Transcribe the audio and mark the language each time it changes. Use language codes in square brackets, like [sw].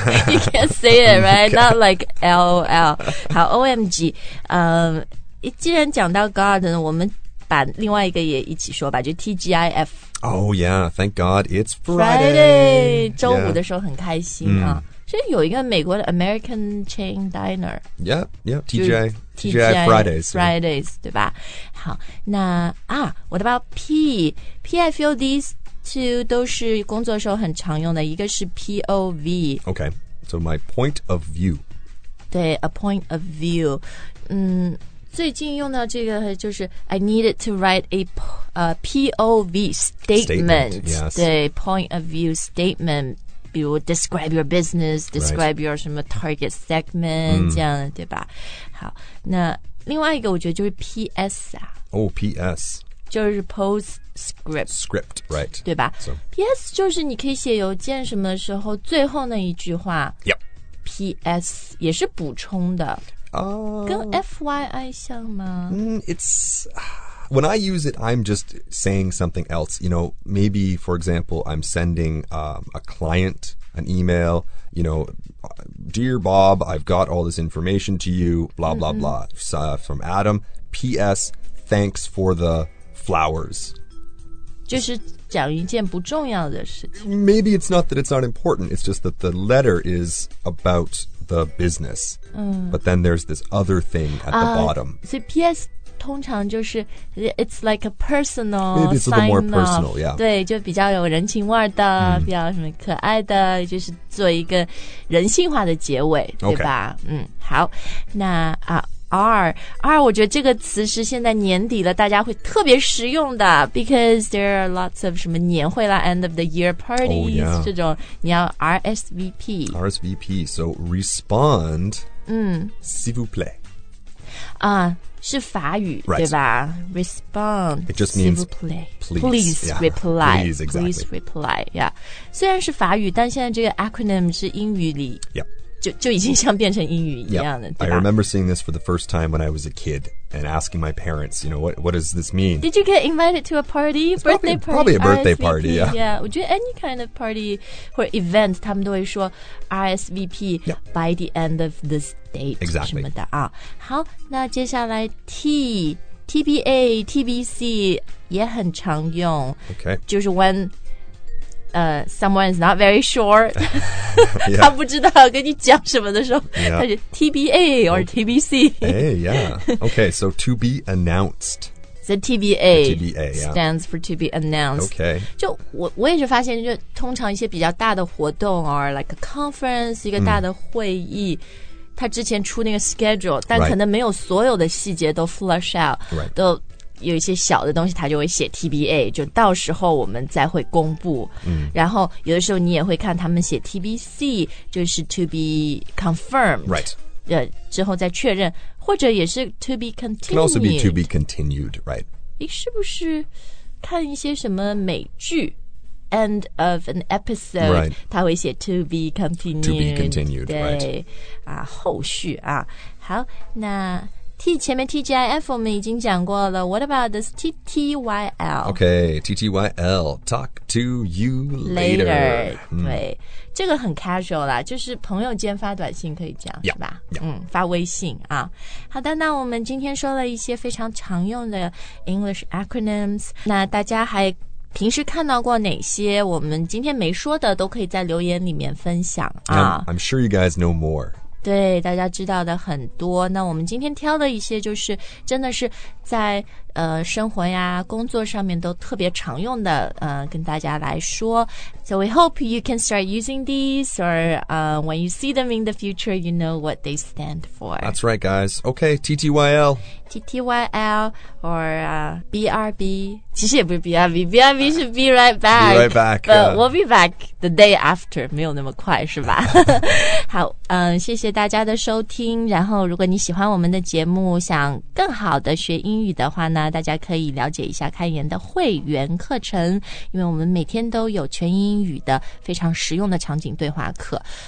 [en] You can't say it right Not like [zh] LOL 好 OMG 既然讲到 God 呢，我们把另外一个也一起说吧，就 TGIF. [en] Oh yeah, thank God it's Friday. Friday, [zh] 周五的时候很开心啊。所以有一个美国的 [en] American chain diner. Yeah, yeah, TGI, TGI Fridays, Fridays, [zh] 对吧？好，那啊 [en] ，What about P? P I feel these two [zh] 都是工作时候很常用的，一个是 POV. [en] Okay, so my point of view. [zh] 对 [en] ，a point of view. [zh] 最近用到这个就是 [en] I needed to write a POV statement. Yes. [zh] 对 [en] point of view statement. [zh] 比如 [en] describe your business, describe、 right. [zh] your 什么 [en] target segment,、 [zh] 这样的对吧好那另外一个我觉得就是 PS 啊。 [en] Oh, PS. [zh] 就是 postscript. [en] Script, right. [zh] 对吧、 [en] so. [zh] PS 就是你可以写邮件什么的时候最后那一句话。 [en] Yep. [zh] PS 也是补充的。跟 FYI 像吗 [en] It's When I use it I'm just saying something else You know Maybe for example I'm sending、a client An email You know Dear Bob I've got all this information to you Blah blah blah、from Adam P.S. Thanks for the flowers [zh] 就是讲一件不重要的事情 [en] Maybe it's not that it's not important It's just that the letter is aboutThe business,、but then there's this other thing at the bottom. So PS [zh] 通常就是 [en] it's like a personal. Maybe it's a little more personal, yeah. [zh] 对，就比较有人情味的，比较什么可爱的，就是做一个人性化的结尾，对吧？ [en] Okay. [zh] 好，那啊 R， 我觉得这个词是现在年底了，大家会特别实用的 ， [en] because there are lots of [zh] 什么年会啦 ， [en] end of the year parties、 oh, yeah. [zh] 这种，你要 RSVP。 [en] RSVP， so respond. [fr] S'il vous plaît. [zh] 啊，是法语、 [en] right. [zh] 对吧 ？Respond. [en] It just means [fr] s'il vous plaît. [en] Please, please、 yeah. reply. Please, exactly. Please reply. Yeah. [zh] 虽然是法语，但现在这个 acronym 是英语里。 [en] Yep. [zh] 就已经像变成英语一样了、 [en] yep. I remember seeing this for the first time when I was a kid and asking my parents, you know, what does this mean? Did you get invited to a party?、 It's、 birthday probably, party? Probably a birthday、 RSVP? party, yeah. [zh] Yeah, 我觉得 [en] any kind of party or event, [zh] 他们都会说 RSVP、 [en] yep. by the end of this date. Exactly. [zh] 什么的啊。好那接下来 TBA, TBC 也很常用。 [en] Okay. [zh] 就是 when... [en] someone is not very sure 、yeah. [zh] 他不知道跟你讲什么的时候、 [en] yeah. [zh] 他就 TBA or TBC [en] hey, yeah. Okay, so to be announced So TBA, TBA、yeah. stands for to be announced Okay [zh] 就 我也是发现就通常一些比较大的活动 [en] or like a conference [zh] 一个大的会议、他之前出那个 schedule 但可能没有所有的细节都 [en] flush out、 right. [zh] 都有一些小的东西他就会写 TBA 就到时候我们再会公布、然后有的时候你也会看他们写 TBC 就是 [en] to be confirmed、 right. [zh] 之后再确认或者也是 [en] to be continued can also be to be continued、right. [zh] 是不是看一些什么美剧 [en] end of an episode、 right. [zh] 他会写 [en] to be continued, to be continued [zh] 对、 [en] right. [zh] 啊、后续啊好那T 前面 TGIF 我们已经讲过了 [en] What about this [zh] TTYL? [en] Okay, TTYL Talk to you later, [zh] later、对这个很 casual 啦就是朋友间发短信可以讲 [en] yeah, [zh] 是吧、 [en] yeah. [zh] 发微信啊。好的那我们今天说了一些非常常用的 English acronyms 那大家还平时看到过哪些我们今天没说的都可以在留言里面分享啊。 [en] I'm sure you guys know more [zh] 对，大家知道的很多。那我们今天挑的一些就是真的是在生活呀工作上面都特别常用的跟大家来说。 [en] So we hope you can start using these or when you see them in the future, you know what they stand for. That's right, guys. Okay, TTYL. TTYL or BRB. [zh] 其实也不是 BRB, BRB 是 [en] Be Right Back. Be Right Back. We'll be back the day after. [zh] 没有那么快是吧好谢谢大家的收听。然后如果你喜欢我们的节目想更好的学英语的话呢大家可以了解一下开言的会员课程。因为我们每天都有全英语的非常实用的场景对话课。